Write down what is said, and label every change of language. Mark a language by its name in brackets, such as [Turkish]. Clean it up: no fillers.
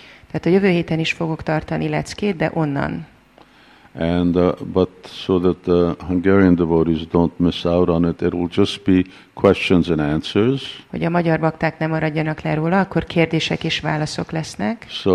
[Hungarian] Tehát a jövő héten is fogok tartani leckét, de onnan. [English] But so that the Hungarian devotees don't miss out on it, it will just be questions and answers. [Hungarian] Hogy a magyar bakták nem maradjanak le róla, akkor kérdések és válaszok lesznek.